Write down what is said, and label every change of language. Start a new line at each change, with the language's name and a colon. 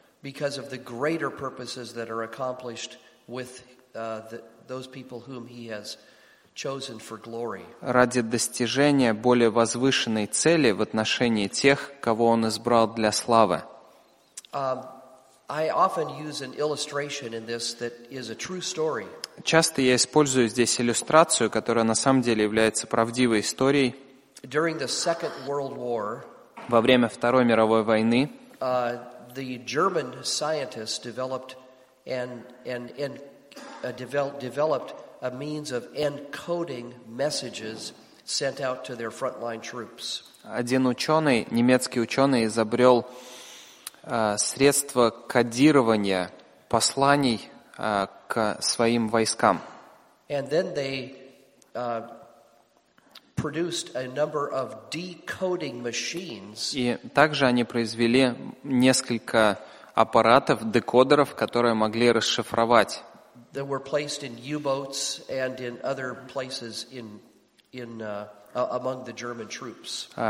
English: Because of the greater purposes that are accomplished with those people whom he has chosen for glory.
Russian: Ради достижения более возвышенной цели в отношении тех, кого он избрал для славы.
English: I often use an illustration in this that is a true story.
Russian: Часто я использую здесь иллюстрацию, которая на самом деле является правдивой историей.
English: During the Second World War,
Russian: во время Второй мировой войны,
English: the German scientists developed a means of encoding messages sent out to their frontline troops.
Russian: Один ученый, немецкий ученый, изобрел средство кодирования посланий к своим войскам.
English: And then they produced a number of decoding machines.
Russian: И также они произвели несколько аппаратов, декодеров, которые могли расшифровать.
English: They were placed in U-boats and in other places in among the German troops.